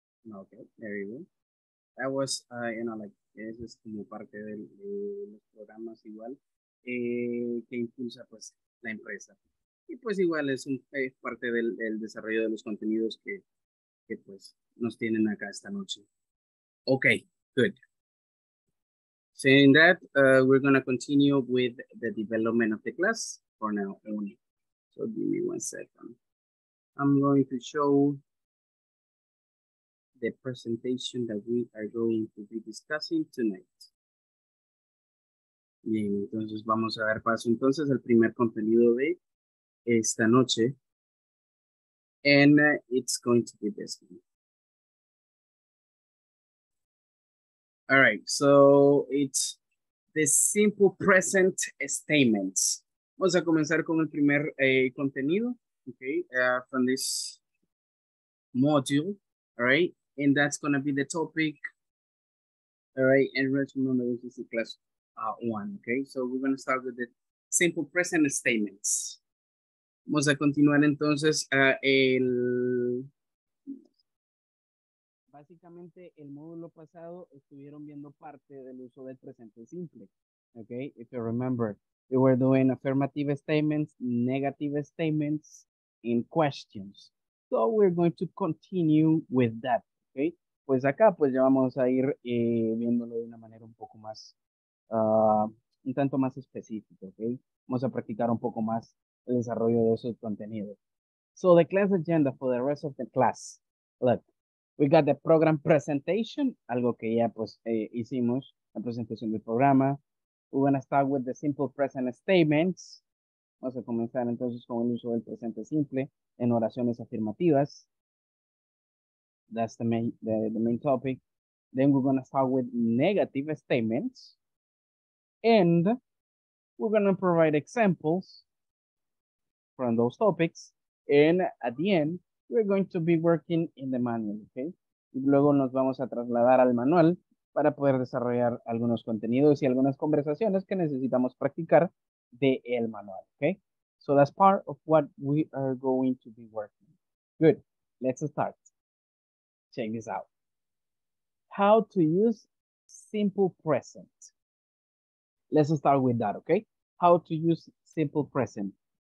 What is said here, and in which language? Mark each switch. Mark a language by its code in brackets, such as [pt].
[en] Okay, very good. That was, you know, like, [es] ese es como parte del, de los programas igual que impulsa, pues, la empresa. Y, pues, igual es, un, es parte del, del desarrollo de los contenidos que, pues, nos tienen acá esta noche. [en] Okay, good. Saying that, we're going to continue with the development of the class for now only. So, give me one second. I'm going to show the presentation that we are going to be discussing tonight. [es] Bien, entonces vamos a dar paso entonces al primer contenido de esta noche. [en] And it's going to be this one. All right, so it's the simple present statements. [es] Vamos a comenzar con el primer contenido, okay, [en] from this module, all right? And that's going to be the topic, all right? And remember, this is the class one, okay? So we're going to start with the simple present statements. [es] Vamos a continuar entonces el... Básicamente, el módulo pasado estuvieron viendo parte del uso del presente simple, okay? [en] If you remember, we were doing affirmative statements, negative statements, and questions. So we're going to continue with that. Okay. [es] Pues acá pues ya vamos a ir viéndolo de una manera un poco más, un tanto más específico, okay? Vamos a practicar un poco más el desarrollo de esos contenidos. [en] So the class agenda for the rest of the class. Look, we got the program presentation, [es] algo que ya pues hicimos, la presentación del programa. [en] We're going to start with the simple present statements. [es] Vamos a comenzar entonces con el uso del presente simple en oraciones afirmativas. [en] That's the main topic. Then we're going to start with negative statements. And we're going to provide examples from those topics. And at the end, we're going to be working in the manual, okay? [es] Y luego nos vamos a trasladar al manual para poder desarrollar algunos contenidos y algunas conversaciones que necesitamos practicar de el manual, okay? [en] So that's part of what we are going to be working. Good. Let's start. Check this out. How to use simple present. Let's start with that, okay? How to use simple present.